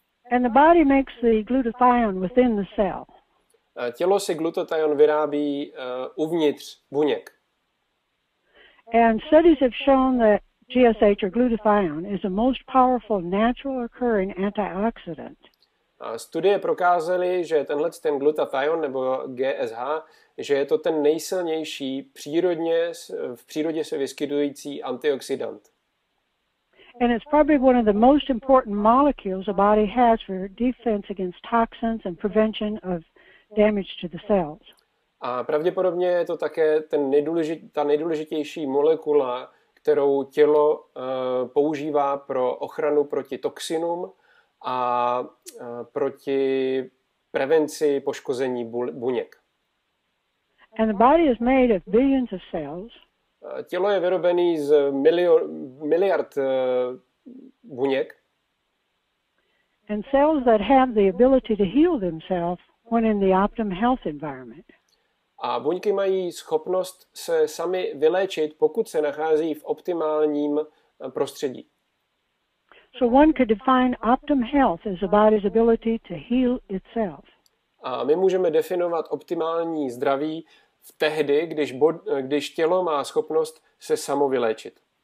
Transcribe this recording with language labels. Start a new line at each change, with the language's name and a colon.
English: And the body makes the glutathione within the cell.
Czech: Tělo si glutathion vyrábí uvnitř buněk.
English: And studies have shown that GSH or glutathione is the most powerful natural occurring antioxidant.
Czech: Studie prokázaly, že tenhle ten glutathion nebo GSH, že je to ten nejsilnější v přírodě se vyskytující antioxidant.
English: And it's probably one of the most important molecules the body has for defense against toxins and prevention of damage to the cells.
Czech: A pravděpodobně je to také ta nejdůležitější molekula, kterou tělo používá pro ochranu proti toxinům a proti prevenci poškození buněk.
English: And the body is made of billions of cells.
Czech: Tělo je vyrobené z miliard buněk.
English: And cells that have the ability to heal themselves when in the optimum health environment.
Czech: A buňky mají schopnost se sami vyléčit, pokud se nachází v optimálním prostředí.
English: So one could define optimum health as the body's ability to heal itself.
Czech: A my můžeme definovat optimální zdraví v tehdy, když tělo má schopnost se samo vyléčit.